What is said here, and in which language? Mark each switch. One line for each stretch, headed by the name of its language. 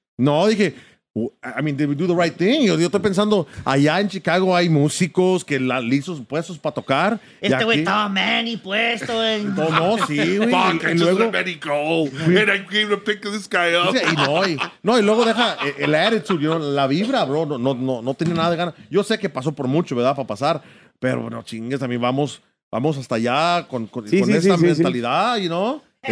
English: No, dije, I mean, did we do the right thing?
Spanish: Yo estoy pensando, allá en Chicago hay músicos que listos puestos para tocar. Este güey estaba Manny puesto. No, sí, güey.
English: Fuck, I just let Manny go. And I came to pick this guy up.
Spanish: Y no, y luego deja el attitude, you know, la vibra, bro. No tenía nada de ganas. Yo sé que pasó por mucho, ¿verdad? Para pasar. Pero bueno, chingues, a mí vamos hasta allá con esta mentalidad, sí. You know?